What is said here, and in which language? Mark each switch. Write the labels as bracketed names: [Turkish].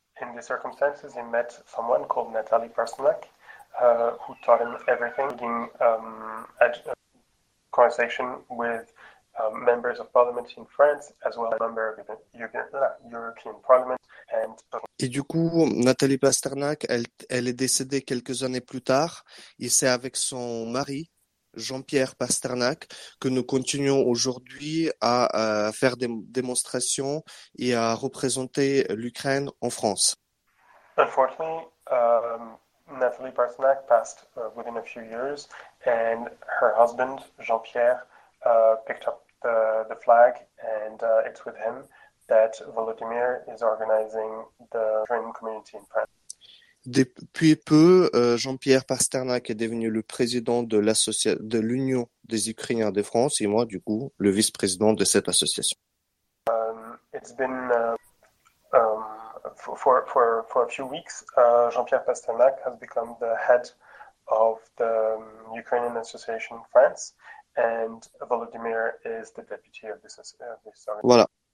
[English] In these circumstances, he met someone called Natalie Persenak, who taught him everything, leading a conversation with members of parliament in France, as well as a member of the European Parliament. And [French] Et du coup, Nathalie Pasternak, elle est décédée quelques années plus tard. Et c'est avec son mari, Jean-Pierre Pasternak, que nous continuons aujourd'hui à faire des démonstrations et à représenter l'Ukraine en France. [English] unfortunately, Nathalie Pasternak passed within a few years, and her husband, Jean-Pierre, picked up the flag, and it's with him that Volodymyr is organizing the dream community in France. [French] Depuis peu, Jean-Pierre Pasternak est devenu le président de l'association de l'Union des Ukrainiens de France et moi, du coup, le vice-président de cette association. [English] It's been for a few weeks, Jean-Pierre Pasternak has become the head of the Ukrainian Association in France, and Volodymyr is the deputy of this [French] Voilà.